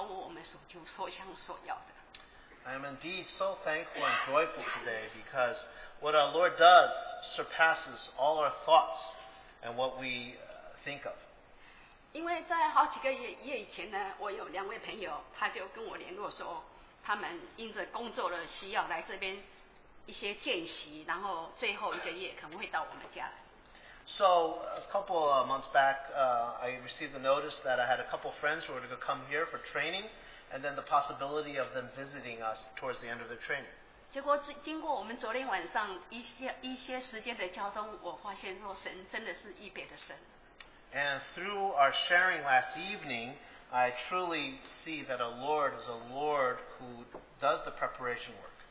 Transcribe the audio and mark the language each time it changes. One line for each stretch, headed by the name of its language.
Chinese: 我真的是非常喜乐，因为神实在做的事是超过我们所求所想所要的。
English: I am indeed so thankful and joyful today because what our Lord does surpasses all our thoughts and what we think of.
Chinese: 因为在好几个月以前呢，我有两位朋友，他就跟我联络说，他们因着工作的需要来这边。一些见习，然后最后一个月可能会到我们家来。
English: So a couple of months back, I received a notice that I had a couple friends who were going to come here for training, and then the possibility of them visiting us towards the end of their training.
Chinese: 结果经过我们昨天晚上一些时间的交通，我发现说神真的是一别的神。
English: And through our sharing last evening, I truly see that a Lord is a Lord who does the preparation work.